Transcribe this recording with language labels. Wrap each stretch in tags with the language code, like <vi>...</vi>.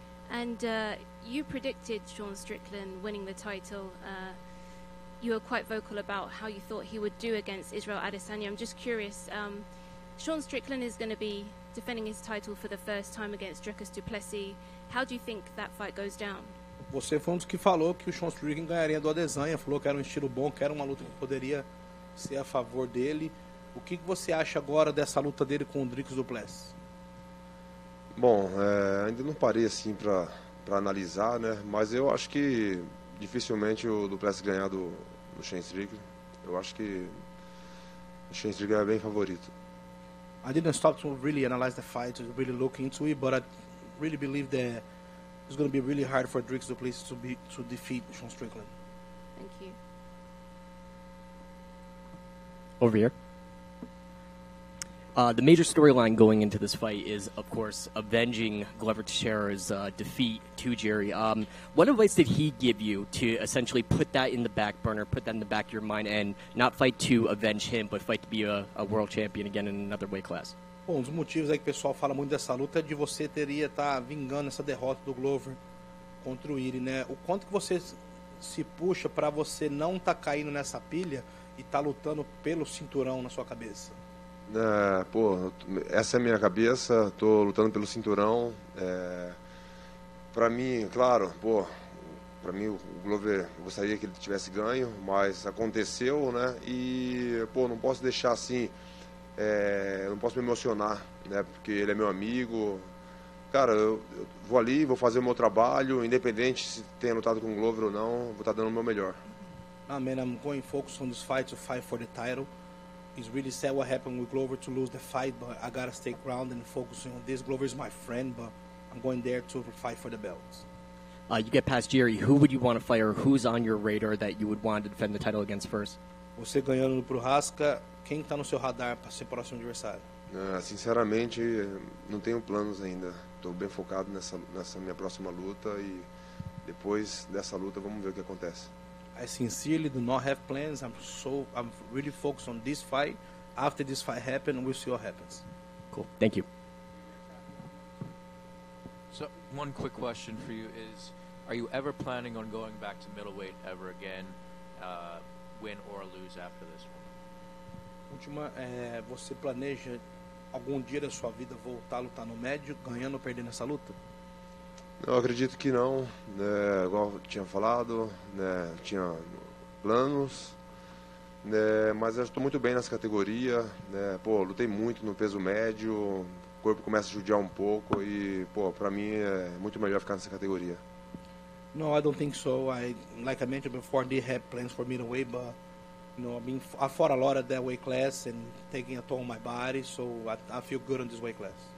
<en>And you predicted Sean Strickland winning the title. You were quite vocal about how you thought he would do against Israel Adesanya. I'm just curious, Sean Strickland is going to be defending his title for the first time against Dricus du Plessis. How do you think that fight goes down?</en> <pt>Você foi um dos que falou que o Sean Strickland ganharia do Adesanya, falou que era um estilo bom, que era uma luta que poderia ser a favor dele. O que você acha agora dessa luta dele com o Dricus du Plessis? Bom, ainda não parei assim para analisar, né? Mas eu acho que dificilmente o du Plessis ganhar do Sean Strickland. Eu acho que o Sean Strickland é bem favorito.</pt> <en>I didn't stop to really analyze the fight, to really look into it, but I really believe that it's going to be really hard for Dricus du Plessis to defeat Sean Strickland. Thank you. Over here. The major storyline going into this fight is, of course, avenging Glover Teixeira's defeat to Jerry. What advice did he give you to essentially put that in the back burner, put that in the back of your mind, and not fight to avenge him, but fight to be a world champion again in another weight class?</en> <pt>Bom, um dos motivos aí que o pessoal fala muito dessa luta é de você teria estar vingando essa derrota do Glover contra o Iri, né? O quanto que você se puxa para você não estar caindo nessa pilha e estar lutando pelo cinturão na sua cabeça? Pô, essa é a minha cabeça, tô lutando pelo cinturão. Pra mim, claro, pô, pra mim o Glover, eu gostaria que ele tivesse ganho, mas aconteceu, né? E, pô, não posso deixar assim, não posso me emocionar, né? Porque ele é meu amigo. Cara, eu vou ali, vou fazer o meu trabalho, independente se tenha lutado com o Glover ou não, vou estar dando o meu melhor.</pt> <en>Ah, man, I'm going focus on this fight to fight for the title. It's really sad what happened with Glover to lose the fight, but I gotta stay grounded and focus on this. Glover is my friend, but I'm going there to fight for the belts. You get past Jerry. Who would you want to fight, or who's on your radar that you would want to defend the title against first?</en> <pt>Você ganhando pro Haska, quem tá no seu radar para ser próximo adversário? Sinceramente, não tenho planos ainda. Tô bem focado nessa minha próxima luta, e depois dessa luta vamos ver o que acontece.</pt> <en>I sincerely do not have plans. I'm really focused on this fight. After this fight happens, we'll see what happens. Cool. Thank you. So, one quick question for you is, are you ever planning on going back to middleweight ever again, win or lose after this one?</en> <pt>Última, você planeja algum dia da sua vida voltar a lutar no médio, ganhando ou perdendo essa luta? Eu acredito que não, né? Igual eu tinha falado, né? Tinha planos, né? Mas eu estou muito bem nessa categoria, né? Pô, lutei muito no peso médio, o corpo começa a judiar um pouco e, pô, para mim é muito melhor ficar nessa categoria.</pt> <en>No, I don't think so. Like I mentioned before, they have plans for middleweight, but you know, I fought a lot at that weight class and taking a toll on my body, so I feel good on this weight class.</en>